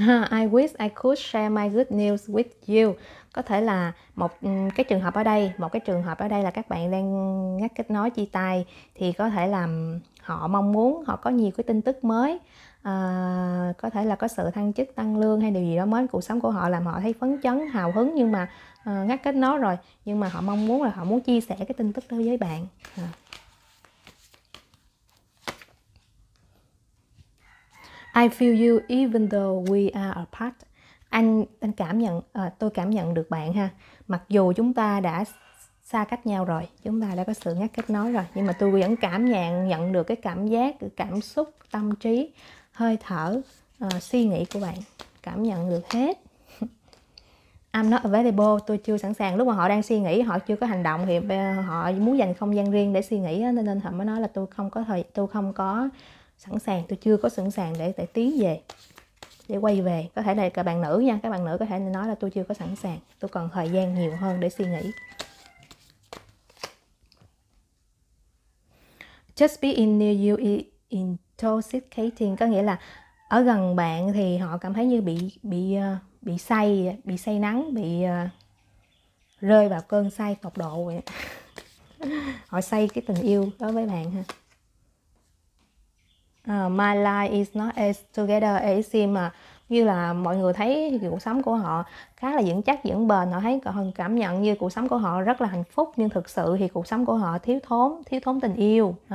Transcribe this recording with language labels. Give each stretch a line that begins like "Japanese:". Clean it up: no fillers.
English: I wish I could share my good news with you.
Vietnamese: Có thể là một cái trường hợp ở đây là các bạn đang ngắt kết nối, chia tay, thì có thể là họ mong muốn họ có nhiều cái tin tức mới, có thể là có sự thăng chức, tăng lương hay điều gì đó mới, cuộc sống của họ làm họ thấy phấn chấn, hào hứng, nhưng mà ngắt kết nối rồi, nhưng mà họ mong muốn là họ muốn chia sẻ cái tin tức đó với bạn.
English: I feel you even though we are apart.
Vietnamese: Anh cảm nhận, tôi cảm nhận được bạn ha. Mặc dù chúng ta đã xa cách nhau rồi, chúng ta đã có sự ngắt kết nối rồi, nhưng mà tôi vẫn cảm nhận được cái cảm giác, cái cảm xúc, tâm trí, hơi thở, suy nghĩ của bạn. Cảm nhận được hết.
English: I'm not available,
Vietnamese: tôi chưa sẵn sàng. Lúc mà họ đang suy nghĩ, họ chưa có hành động, thì họ muốn dành không gian riêng để suy nghĩ, nên họ mới nói là tôi không có sẵn sàng, tôi chưa có sẵn sàng để tiến về, để quay về. Có thể là các bạn nữ nha, các bạn nữ có thể nói là tôi chưa có sẵn sàng, tôi còn thời gian nhiều hơn để suy nghĩ.
English: Just being near you is intoxicating,
Vietnamese: có nghĩa là ở gần bạn thì họ cảm thấy như bị say, bị say nắng, bị rơi vào cơn say tột độ vậy. Họ say cái tình yêu đối với bạn ha.
English: My life is not as together as it seems,
Vietnamese: mà như là mọi người thấy cuộc sống của họ khá là vững chắc, vững bền, họ thấy họ cảm nhận như cuộc sống của họ rất là hạnh phúc, nhưng thực sự thì cuộc sống của họ thiếu thốn tình yêu.